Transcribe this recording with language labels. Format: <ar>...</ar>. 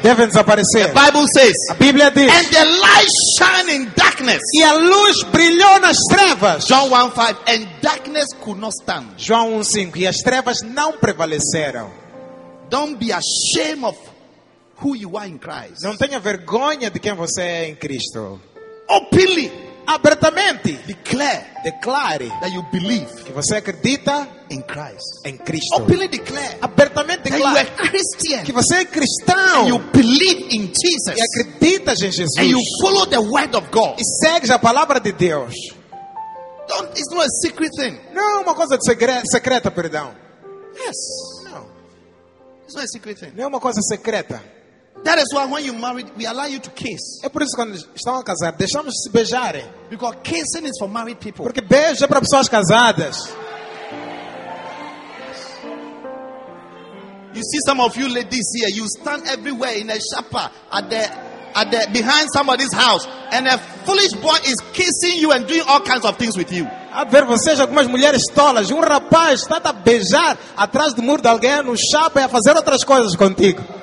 <pt>Devem desaparecer.</pt> <en>The Bible says.</en> <pt>A Bíblia diz.</pt> <en>And the light shine in darkness.</en> <pt>E a luz brilhou nas trevas.</pt> <en>John 1:5. And darkness could not stand.</en> <pt>João 1:5. E as trevas não prevaleceram.</pt> <en>Don't be ashamed of who you are in Christ.</en> <pt>Não tenha vergonha de quem você é em Cristo.</pt> <en>Openly,</en> <pt>abertamente,</pt> <en>declare that you believe.</en> <pt>Que você acredita</pt> <en>in Christ.</en> <pt>Em Cristo.</pt> <en>Openly declare,</en> <pt>abertamente declare</pt> <en>that you are Christian.</en> <pt>Que você é cristão.</pt> <en>And you believe in Jesus.</en> <pt>E acredita em Jesus.</pt> <en>And you follow the word of God.</en> <pt>E segue a palavra de Deus.</pt> <en>It's not a secret thing.</en> <pt>Não, uma coisa de secreta, perdão.</pt> <en>Yes. No. It's not a secret thing.</en> <pt>Não é uma coisa secreta.</pt> <en>That is why when you married, we allow you to kiss.</en> <pt>É por isso que quando estão a casar, deixamos se beijarem.</pt> <en>Because kissing is for married people.</en> <pt>Porque beijo é para pessoas casadas.</pt> <en>You see some of you ladies here, you stand everywhere in a shopper at the behind somebody's house and a foolish boy is kissing you and doing all kinds of things with you.</en> <pt>A ver vocês, algumas mulheres tolas, um rapaz está a beijar atrás do muro de alguém no shopping a fazer outras coisas contigo.</pt>